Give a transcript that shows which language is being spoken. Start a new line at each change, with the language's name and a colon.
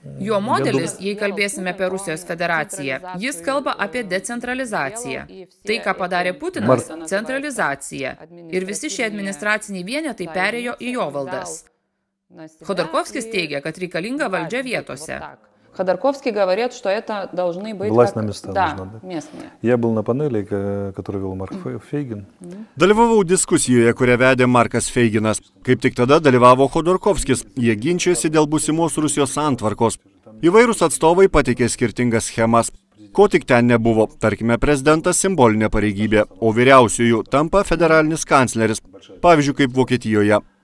Lithuanian: Jo modelis, jei kalbėsime apie Rusijos federaciją, jis kalba apie decentralizaciją. Tai, ką padarė Putinas, centralizacija. Ir visi šie administraciniai vienetai perėjo į jo valdas. Chodorkovskis teigia, kad reikalinga valdžia vietose.
Russian: Ходорковский говорит, что это должны быть... Власть на места да, нужна, да? Местные. Я был на панели, которую вел Марк Фейгин.
Lithuanian: Dalyvavau diskusijoje, kurią vedė Markas Feiginas. Kaip tik tada dalyvavo Chodorkovskis. Jie ginčiasi dėl būsimos Rusijos santvarkos. Įvairūs atstovai patikė skirtingas schemas. ko tik ten nebuvo. Tarkime, prezidentas simbolinė pareigybė, o vyriausiųjų tampa federalinis kancleris, pavyzdžiui, kaip Vokietijoje.